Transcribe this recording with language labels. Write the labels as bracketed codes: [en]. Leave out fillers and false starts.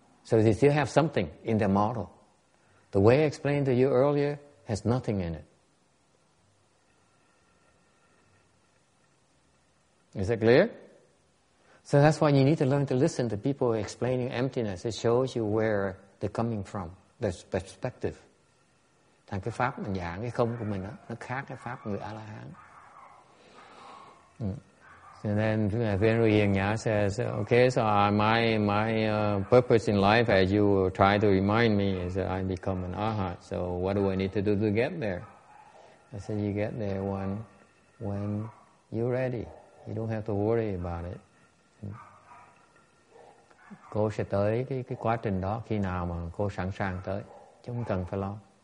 [en] So they still have something in their model. The way I explained to you earlier has nothing in it. Is that clear? So that's why you need to learn to listen to people explaining emptiness. It shows you where they're coming from, their perspective. [vi] Thành cái pháp mình dạng cái không của mình đó, nó khác cái pháp người A-la-hán. [en] And then Venerable Yinya says, okay, so my purpose in life, as you try to remind me, is that I become an arhat. So what do I need to do to get there? I said, you get there when you're ready. You don't have to worry about it. [vi] Cô sẽ tới cái quá trình đó khi nào mà cô sẵn sàng tới. Chứ không cần phải lo.